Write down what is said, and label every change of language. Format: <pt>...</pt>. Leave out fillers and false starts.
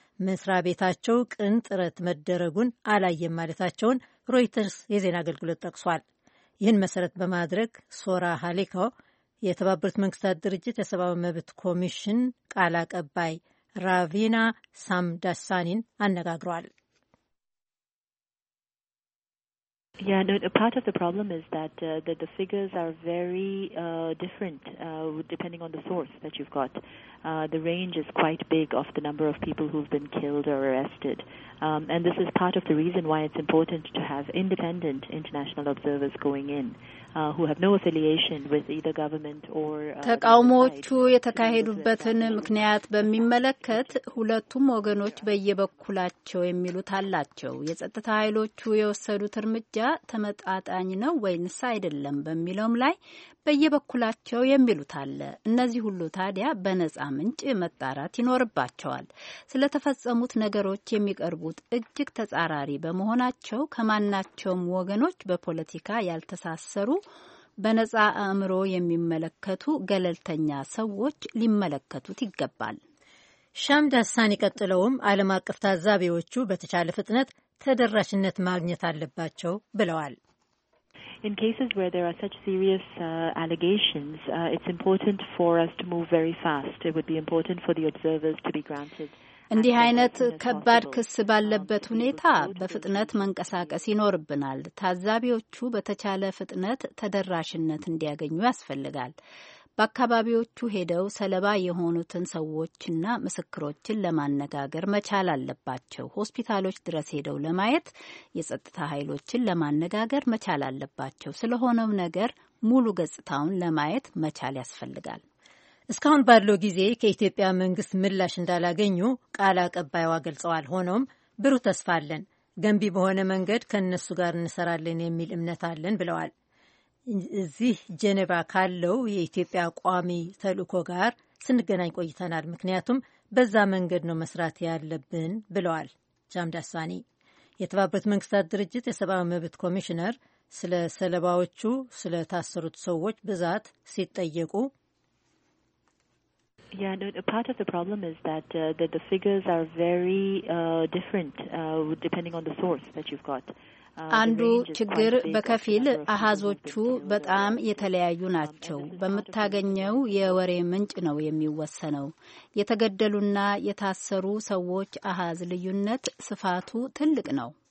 <am>መስራ ቤታቸው ቅንጥረት መደረጉን አላየም ማለታቸውን ሮይተርስ የዜና አገልግሎት ጠቅሷል። ይህን መሰረት በማድረግ ሶራ ሃሊኮ የተባበሩት መንግስታት ድርጅት የሰብአዊ መብት ኮሚሽን ቃል አቀባይ ራቪና ሳምዳሳኒን አነጋግሯል።</am> <en>Yeah, no, part of the problem is that the figures are very different depending on the source that you've got. The range is quite big of the number of people who've been killed or arrested. And this is part of the reason why it's important to have independent international observers going in who have no affiliation with either government or</en> <am>ተቃውሞቹ የተካሄዱበትን ምክንያት በሚመለከት ሁለቱም ወገኖች በየበኩላቸው የሚሉት አላቸው። የጸጥታ ኃይሎቹ የወሰዱት እርምጃ ተመጣጣኝ ነው ወይስ አይደለም በሚለውም ላይ በየበኩላቸው የሚሉት አለ። እነዚህ ሁሉ ታዲያ በነጻ ምንጭ መጣራት ይኖርባቸዋል። ስለተፈጸሙት ነገሮች የሚቀርቡት እጅግ ተጻራሪ በመሆናቸው ከማናቸውም ወገኖች በፖለቲካ ያልተሳሰሩ በነጻ አእምሮ የሚመለከቱ ገለልተኛ ሰዎች ሊመለከቱት ይገባል። ሻምዳሳን ይቀጥለውም ዓለም አቀፍ ታዛቢዎቹ በተቻለ ፍጥነት ተደራሽነት ማግኘት አለባቸው ብለዋል።</am> <en>In cases where there are such serious allegations, it's important for us to move very fast. It would be important for the observers to be granted.</en> <am>እንዲህ አይነት ከባድ ክስ ባለበት ሁኔታ በፍጥነት መንቀሳቀስ ይኖርብናል። ታዛቢዎቹ በተቻለ ፍጥነት ተደራሽነት እንዲያገኙ ያስፈልጋል። በአካባቢዎቹ ሄደው ሰለባ የሆኑትን ሰዎችና ምስክሮችን ለማነጋገር መቻል አለባቸው። ሆስፒታሎች ድረስ ሄደው ለማየት የጸጥታ ኃይሎችን ለማነጋገር መቻል አለባቸው። ስለሆነም ነገር ሙሉ ገጽታውን ለማየት መቻል ያስፈልጋል። እስካሁን ባለው ጊዜ ከኢትዮጵያ መንግስት ምላሽ እንዳላገኙ ቃል አቀባዩ አገልጸዋል። ሆኖም ብሩህ ተስፋ አለን፣ ገንቢ በሆነ መንገድ ከነሱ ጋር እንሰራለን የሚል እምነት አለን ብለዋል። እዚህ ጀኔቫ ካለው የኢትዮጵያ ቋሚ ተልእኮ ጋር ስንገናኝ ቆይተናል፣ ምክንያቱም በዛ መንገድ ነው መስራት ያለብን ብለዋል ጃምዳሳኒ። የተባበሩት መንግስታት ድርጅት የሰብአዊ መብት ኮሚሽነር ስለ ሰለባዎቹ ስለ ታሰሩት ሰዎች ብዛት ሲጠየቁ</am> <en>Yeah, no, part of the problem is that the figures are very different depending on the source that you've got.</en> <am>አንዱ ችግር በከፊል አሃዞቹ በጣም የተለያዩ ናቸው። በመታገኘው የወሬ ምንጭ ነው የሚወሰነው። የተገደሉና የታሰሩ ሰዎች አሃዝ ልዩነት ስፋቱ ትልቅ ነው።</am>